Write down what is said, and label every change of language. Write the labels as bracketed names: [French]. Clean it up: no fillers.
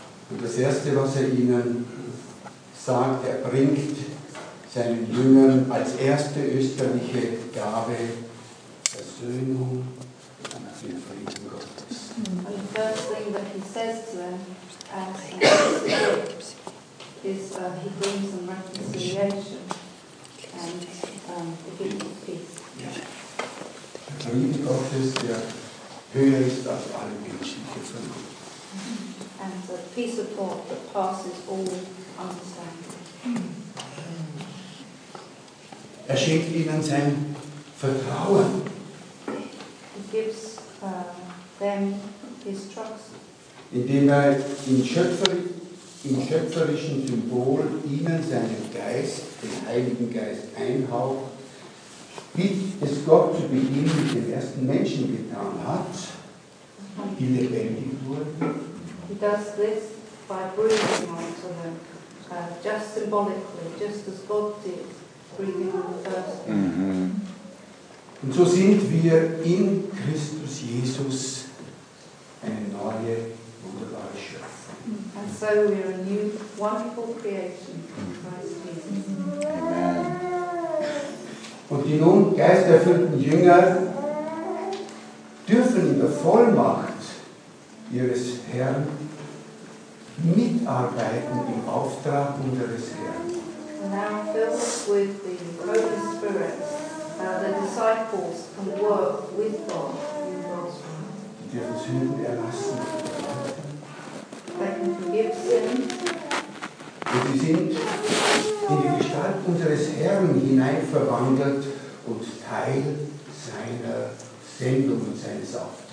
[German] Und das Erste, was er ihnen sagt, er bringt seinen Jüngern als erste österliche Gabe Versöhnung und den Frieden Gottes. [English] And the first thing that he says to them, as he brings some reconciliation [German] Der Friede Gottes, der höher ist als alle menschliche Vernunft. [English] And the peace of God that passes all understanding. [German] Er schenkt ihnen sein Vertrauen. [English] He gives them his trust. [German] Indem er im schöpferischen Symbol ihnen seinen Geist, den Heiligen Geist, einhaucht, wie es Gott zu Beginn mit den ersten Menschen getan hat, die lebendig wurden. [English] He does this by breathing on to them, just symbolically, just as God did, breathing on the first. [German] Und so sind wir in Christus Jesus eine neue, wunderbare Schöpfung. [English] And so we are a new, wonderful creation in Christ Jesus. Amen. [German] Und die nun geisterfüllten Jünger dürfen in der Vollmacht ihres Herrn mitarbeiten im Auftrag unseres Herrn. [English] And now filled with the Holy Spirit, the disciples can work with God in God's [German] will. Die dürfen Sünden erlassen. Und sie sind in die Gestalt unseres Herrn hineinverwandelt und Teil seiner Sendung und seines Auftrags.